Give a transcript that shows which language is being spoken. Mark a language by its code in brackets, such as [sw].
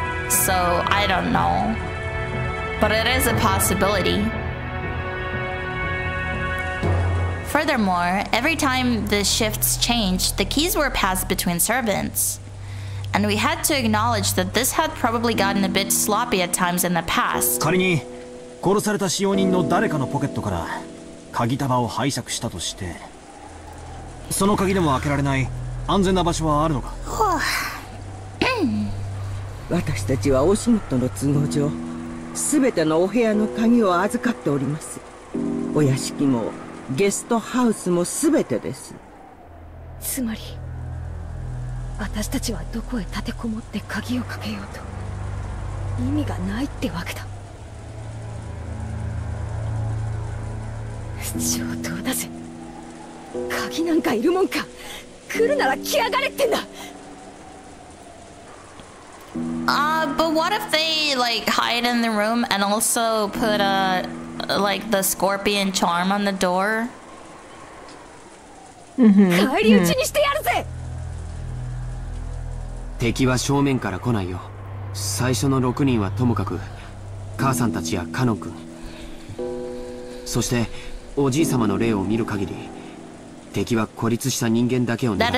[en] So I don't know, but it is a possibility. Furthermore, every time the shifts changed, the keys were passed between servants, and we had to acknowledge that this had probably gotten a bit sloppy at times in the past. [ja] 仮に殺された使用人の誰かのポケットから鍵束を拝借したとして、その鍵でも開けられない安全な場所はあるのか？私たちはお仕事の都合上全てのお部屋の鍵を預かっております。お屋敷もゲストハウスも全てです。つまり私たちはどこへ立てこもって鍵をかけようと意味がないってわけだ。上等だぜ。鍵なんかいるもんか。来るなら来やがれってんだ。 [en] But what if they like hide in the room and also put a like the scorpion charm on the door? [ja] 帰り討ちにしてやるぜ。敵は正面から来ないよ。最初の6人はともかく、母さんたちやカノ君、そしておじい様の霊を見る限り、敵は孤立した人間だけを狙ってる。